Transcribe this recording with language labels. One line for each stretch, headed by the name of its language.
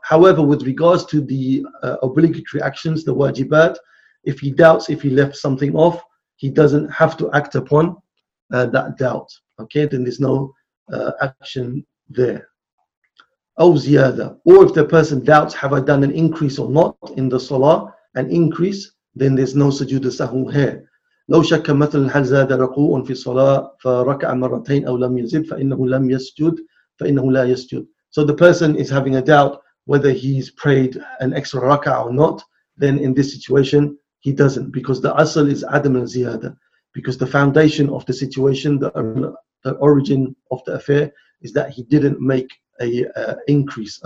English: However, with regards to the obligatory actions, the wajibat, if he doubts if he left something off, he doesn't have to act upon that doubt. Okay, then there's no action there.
Arabic: أَوْ زِيَادَ.
English: Or if the person doubts, have I done an increase or not in the salah, an increase, then there's no sujood sahu here.
Arabic: لو شك مثلا هل زاد ركوع في الصلاة فركع مرتين أو لم يزد فإنه لم يسجد فإنه لا يسجد.
English: So the person is having a doubt whether he's prayed an extra raka or not, then in this situation he doesn't, because the asl is adam al-ziyada, because the foundation of the situation, the origin of the affair is that he didn't make a increase.